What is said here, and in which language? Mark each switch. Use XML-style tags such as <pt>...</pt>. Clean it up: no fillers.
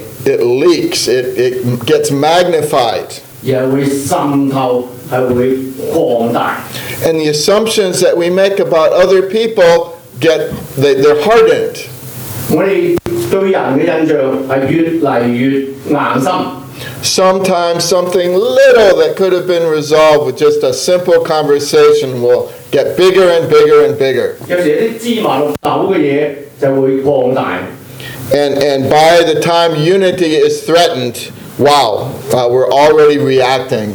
<en>It leaks, it gets magnified. And the assumptions that we make about other people get they're hardened.</en> <zh>我们对人的印象是越来越硬心。</zh> <en>Sometimes something little that could have been resolved with just a simple conversation will get bigger and bigger and bigger. And by the time unity is threatened, wow, we're already reacting.</en>